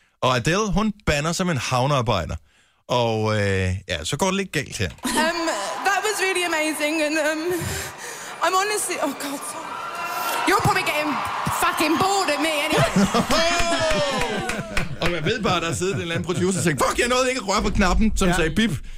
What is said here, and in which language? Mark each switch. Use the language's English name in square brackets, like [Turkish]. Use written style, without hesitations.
[Danish] Og Adele, hun banner som en havnearbejder. Og så går det lidt galt her. [English] That was really amazing, and I'm honestly, oh God, you're probably getting fucking bored of me anyway. [Danish] Og jeg ved bare, der sidder en eller anden producer og tænker, fuck, jeg nåede ikke at røre på knappen, som sagde bip.